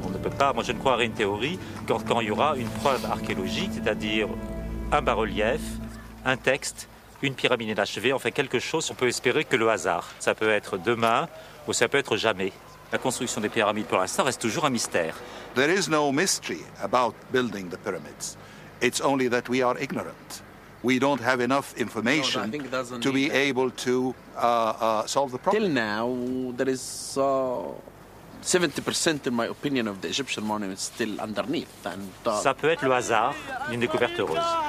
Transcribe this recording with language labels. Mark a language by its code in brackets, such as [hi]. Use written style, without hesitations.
[fr] On ne peut pas. Moi, je ne croirai une théorie quand il y aura une preuve archéologique, c'est-à-dire un bas-relief, un texte, une pyramide inachevée, enfin quelque chose. On peut espérer que le hasard. Ça peut être demain ou ça peut être jamais. La construction des pyramides, pour l'instant, reste toujours un mystère. [en] There is no mystery about building the pyramids. It's only that we are ignorant. We don't have enough information to be able to solve the problem. Till now, there is 70%, in my opinion, of the Egyptian monuments still underneath. And [fr] ça peut être le hasard d'une découverte heureuse.